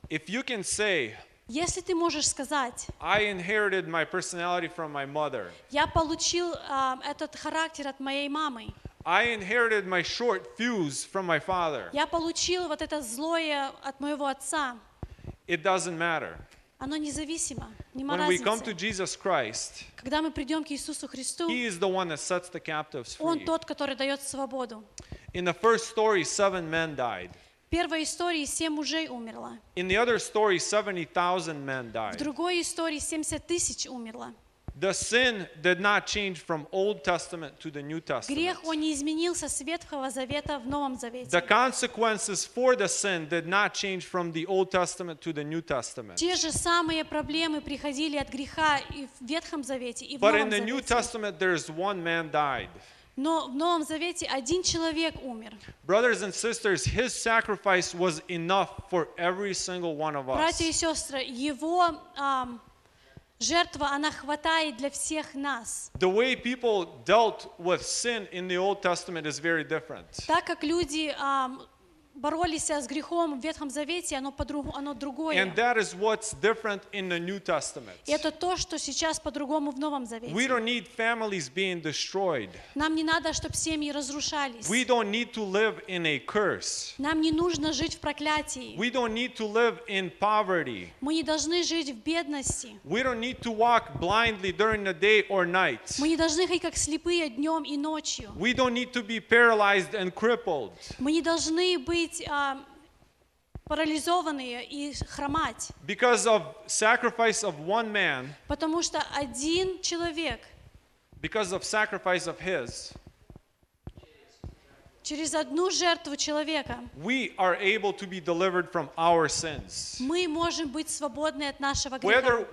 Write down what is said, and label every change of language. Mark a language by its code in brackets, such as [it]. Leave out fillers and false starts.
[en] If you can say, [ru] если ты можешь сказать, [en] I inherited my personality from my mother. [ru] Я получил этот характер от моей мамы. [en] I inherited my short fuse from my father. [ru] Я получил вот это злое от моего отца. [en] It doesn't matter. [ru] Оно независимо. Нема [en] When [ru] разницы. [en] We come to Jesus Christ, [ru] когда мы придем к Иисусу Христу, [en] He is the one that sets the captives free. [ru] Он тот, который дает свободу. [en] In the first story, seven men died. [ru] В первой истории семь мужей умерло. [en] In the other story, 70,000 men died. [ru] В другой истории 70 тысяч умерло. [en] The sin did not change from Old Testament to the New Testament. [ru] Грех он не изменился с Ветхого Завета в Новом Завете. [en] The consequences for the sin did not change from the Old Testament to the New Testament. [ru] Те же самые проблемы приходили от греха и в Ветхом Завете, и в Новом Завете. [en] But in the New Testament there is one man died. [ru] Но в Новом Завете один человек умер. [en] Brothers and sisters, his sacrifice was enough for every single one of us. [ru] Братья и сестры, его Жертва, она хватает для всех нас. [en] The way people dealt with sin in the Old Testament is very different. [ru] Так как люди боролись с грехом в Ветхом Завете, оно другое. [en] And that is what's different in the New Testament. [ru] Это то, что сейчас по-другому в Новом Завете. [en] We don't need families being destroyed. [ru] Нам не надо, чтобы семьи разрушались. [en] We don't need to live in a curse. [ru] Нам не нужно жить в проклятии. [en] We don't need to live in poverty. [ru] Мы не должны жить в бедности. [en] We don't need to walk blindly during the day or night. [ru] Мы не должны ходить как слепые днем и ночью. [en] We don't need to be paralyzed and crippled. [ru] Мы не должны парализованные и хромать. [en] Because of sacrifice of one man. [ru] Потому что один человек. [en] Because of sacrifice of his. [ru] Через одну жертву человека. [en] We are able to be delivered from our sins. [ru] Мы можем быть свободны от нашего греха.